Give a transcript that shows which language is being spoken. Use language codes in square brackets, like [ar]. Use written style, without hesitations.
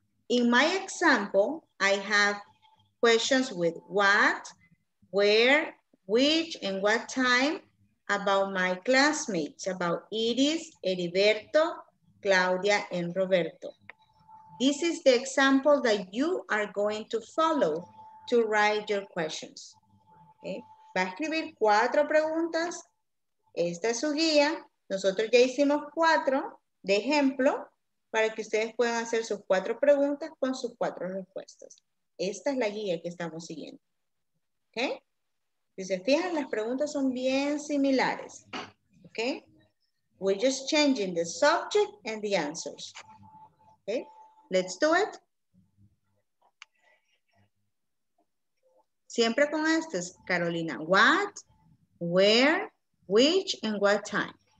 [en] In my example, I have questions with what, where, which, and what time about my classmates, about Iris, Heriberto, Claudia, and Roberto. This is the example that you are going to follow to write your questions. [es] Okay? Va a escribir cuatro preguntas. Esta es su guía. Nosotros ya hicimos cuatro de ejemplo para que ustedes puedan hacer sus cuatro preguntas con sus cuatro respuestas. Esta es la guía que estamos siguiendo. Okay? Si se fijan, las preguntas son bien similares. Okay? [en] We're just changing the subject and the answers. Okay? Let's do it. [es] Siempre con estas, [en] Carolina. What, where, which, and what time?